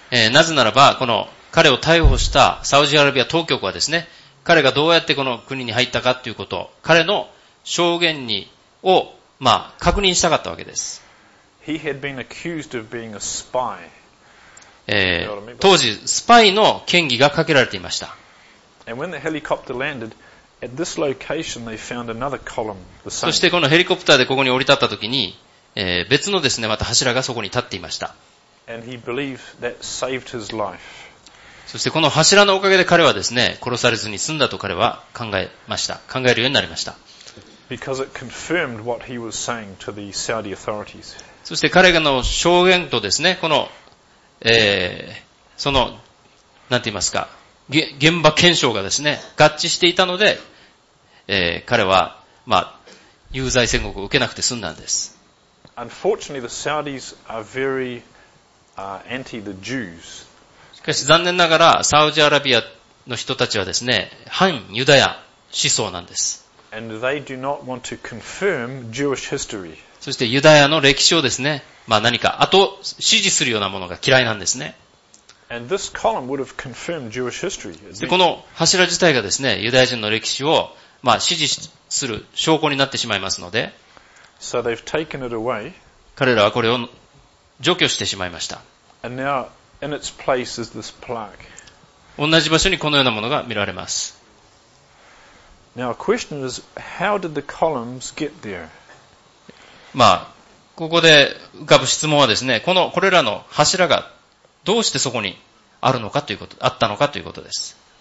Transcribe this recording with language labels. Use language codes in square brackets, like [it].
[ja] なぜならば、この彼を逮捕したサウジアラビア当局はですね、彼がどうやってこの国に入ったかということ、彼の証言にを、まあ、確認したかったわけです。 [en] He had been accused of being a spy. [ja] 当時、スパイの嫌疑がかけられていました。 [en] And when the helicopter landed, at this location they found another column, the same. [ja] そしてこのヘリコプターでここに降り立ったときに、別のですね、また柱がそこに立っていました。 [en] And he believed that saved his life. [ja] そしてこの柱のおかげで彼はですね、殺されずに済んだと彼は考えました。考えるようになりました。 [en] Because it confirmed what he was saying to the Saudi authorities. [ja] そして彼の証言とですね、この、その、なんて言いますか、現場検証がですね、合致していたので、彼は、まあ、有罪宣告を受けなくて済んだんです。 [en] Unfortunately, the Saudis are very anti the Jews. [ja] しかし残念ながらサウジアラビアの人たちはですね、反ユダヤ思想なんです。 [en] And they do not want to confirm Jewish history. [ja] そしてユダヤの歴史をですね、まあ何か後支持するようなものが嫌いなんですね。 [en] And this column would have confirmed Jewish history. [ja] で、この柱自体がですね、ユダヤ人の歴史を、まあ、支持する証拠になってしまいますので、 [en] So they've taken it away. [ja] 彼らはこれを除去してしまいました。 [en] And now, in its place is this plaque. [ja] 同じ場所にこのようなものが見られます。 [en] Now, a question is, how did the columns get there? [ja] まあ、ここで浮かぶ質問はですね、これらの柱がどうしてそこにあるのかということ、あったのかということです。